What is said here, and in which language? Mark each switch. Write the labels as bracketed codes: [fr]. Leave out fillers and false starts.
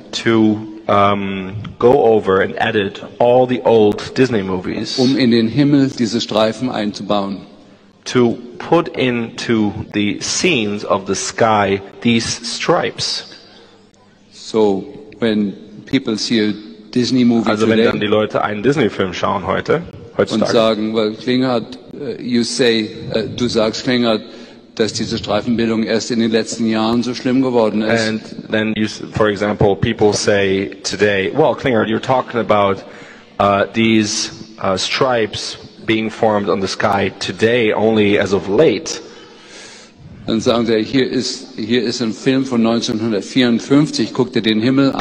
[en] to go over and edit all the old Disney movies, [de] um in den Himmel diese Streifen einzubauen, [en] to put into the scenes of the sky these stripes. So when people see a Disney movie [de] also [en] today, [de] wenn dann die Leute einen Disney Film schauen heute und sagen, well, Klingert, [en] you say, [de] du sagst Klingert, dass diese Streifenbildung erst in den letzten Jahren so schlimm geworden ist. [en] And then, you, for example, people say today, well, Klinger, you're talking about these stripes being formed on the sky today, only as of late. [de] Dann sagen sie, hier ist ein Film von 1954, guck dir den Himmel an.